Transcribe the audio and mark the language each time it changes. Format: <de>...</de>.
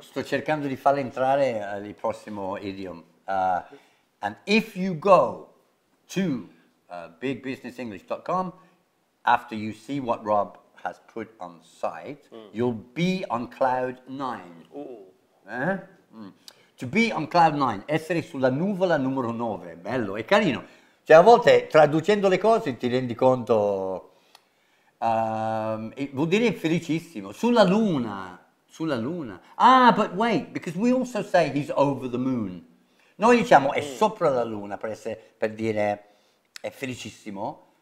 <it>Sto cercando di farle entrare il prossimo idiom.</it> <en>And if you go to bigbusinessenglish.com, after you see what Rob has put on site, you'll be on cloud 9. To be on cloud 9,</en> <it>essere sulla nuvola numero 9, bello, è carino. Cioè a volte traducendo le cose ti rendi conto, vuol dire felicissimo, sulla luna.</it> <en>Ah, but wait, because we also say he's over the moon.</en> <it>Noi diciamo è sopra la luna per dire è felicissimo.</it>